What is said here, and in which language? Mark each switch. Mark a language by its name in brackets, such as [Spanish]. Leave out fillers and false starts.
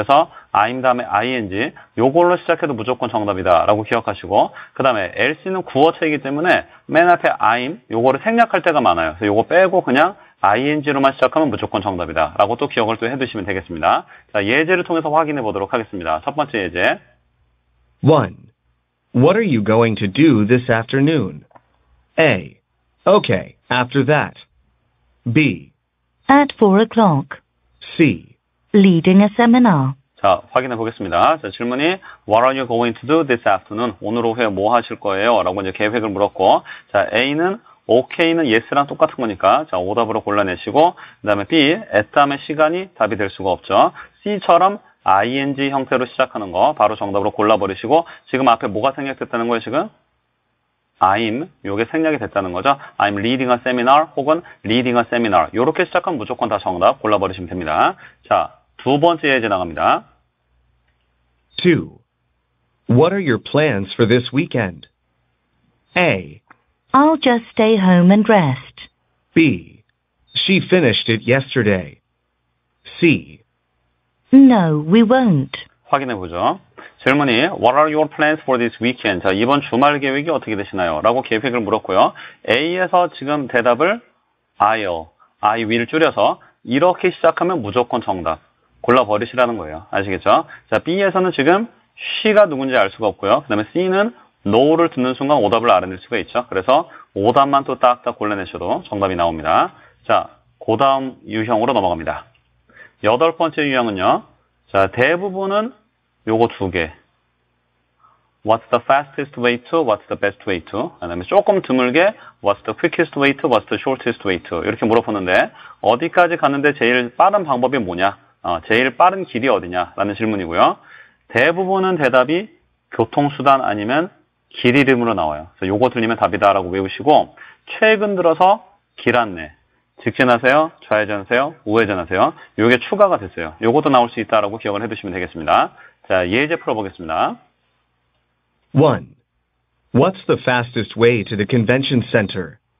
[Korean] 그래서 I'm 다음에 ing 요걸로 시작해도 무조건 정답이다라고 기억하시고, 그 다음에 else는 구어체이기 때문에 맨 앞에 I'm 요거를 생략할 때가 많아요. 그래서 요거 빼고 그냥 ing로만 시작하면 무조건 정답이다라고 또 기억을 또 해두시면 되겠습니다. 자, 예제를 통해서 확인해 보도록 하겠습니다. 첫 번째 예제. [English] One. What are you going to do this afternoon? A. Okay, after that. B. At 4 o'clock. C. Leading a seminar. [Korean] 자, 확인해 보겠습니다. 자, 질문이 [English] What are you going to do this afternoon? [Korean] 오늘 오후에 뭐 하실 거예요? 라고 이제 계획을 물었고, 자, A는 OK는 yes랑 똑같은 거니까, 자, 오답으로 골라내시고, 그다음에 B, at 다음에 시간이 답이 될 수가 없죠. C처럼 ing 형태로 시작하는 거 바로 정답으로 골라버리시고 지금 앞에 뭐가 생략됐다는 거예요 지금? I'm 요게 생략이 됐다는 거죠. [English] I'm leading a seminar [Korean] 혹은 [English] leading a seminar [Korean] 요렇게 시작하면 무조건 다 정답 골라버리시면 됩니다. 자, 두 번째 예제 나갑니다. [English] Two. What are your plans for this weekend? A. I'll just stay home and rest. B. She finished it yesterday. C. No, we won't. [Korean] 확인해 보죠. 질문이 [English] What are your plans for this weekend? [Korean] 자, 이번 주말 계획이 어떻게 되시나요? 라고 계획을 물었고요. A에서 지금 대답을 [English] I'll, I will [Korean] 줄여서 이렇게 시작하면 무조건 정답. 골라버리시라는 거예요. 아시겠죠? 자, B에서는 지금 she가 누군지 알 수가 없고요. 그 다음에 C는 no를 듣는 순간 오답을 알아낼 수가 있죠. 그래서 오답만 또 딱딱 골라내셔도 정답이 나옵니다. 자, 그 다음 유형으로 넘어갑니다. 여덟 번째 유형은요. 자, 대부분은 요거 두 개. [English] What's the fastest way to? What's the best way to? [Korean] 그 다음에 조금 드물게 [English] What's the quickest way to? What's the shortest way to? [Korean] 이렇게 물어보는데 어디까지 가는데 제일 빠른 방법이 뭐냐? 제일 빠른 길이 어디냐? 라는 질문이고요. 대부분은 대답이 교통수단 아니면 길 이름으로 나와요. 그래서 요거 들리면 답이다라고 외우시고 최근 들어서 길 안내. 직진하세요? 좌회전하세요? 우회전하세요? 요게 추가가 됐어요. 요것도 나올 수 있다라고 기억을 해두시면 되겠습니다. 자, 예제 풀어보겠습니다. [English] 1. What's the fastest way to the convention center?